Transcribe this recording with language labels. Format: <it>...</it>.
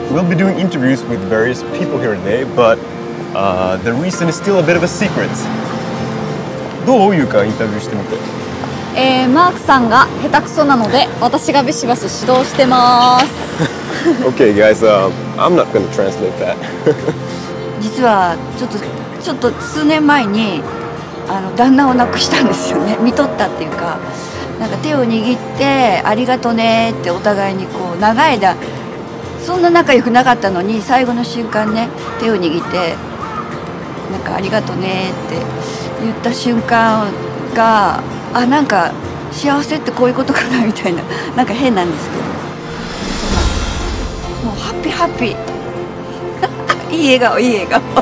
<en>We'll be doing interviews with various people here today, but the reason is still a bit of a secret.</en> <ja>どう、ゆうか、インタビューしてみて。マークさんが下手くそなので、私がビシバシ指導してます。</ja> <en>Okay, guys, I'm not going to translate that.</en> <ja>実はちょっと数年前に、あの旦那を亡くしたんですよね。見取ったっていうか。なんか手を握ってありがとねってお互いにこう長い間そんな仲良くなかったのに最後の瞬間ね手を握ってなんかありがとねって言った瞬間が、あ、なんか幸せってこういうことかなみたいな、なんか変なんですけど、もうハッピーハッピーいい笑顔いい笑顔</ja>